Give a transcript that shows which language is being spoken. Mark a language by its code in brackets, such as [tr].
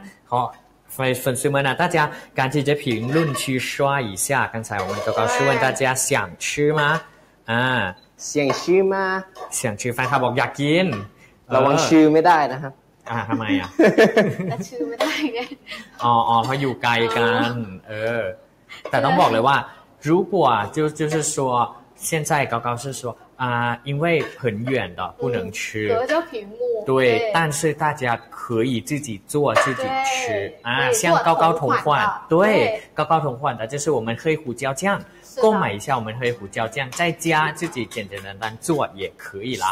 [zh] 好，粉丝们呢、大家赶紧在评论区刷一下。刚才我们高高是问大家想吃吗？想吃吗？想吃，饭他说 [th] อยากกิน， ระวังชื่อไม่ได้นะครับ。 ทำไมอ่ะ？ ชื่อไม่ได้ไง？ [zh] 哦哦，他 [th] อยู่ไกลกัน。 แต่ต้องบอกเลยว่า， [zh] 如果就是说，现在高高是说。因为很远的不能吃。隔着屏幕。对，但是大家可以自己做自己吃。像高高同款。对，高高同款的就是我们黑胡椒酱。购买一下我们黑胡椒酱，在家自己简简单单做也可以啦。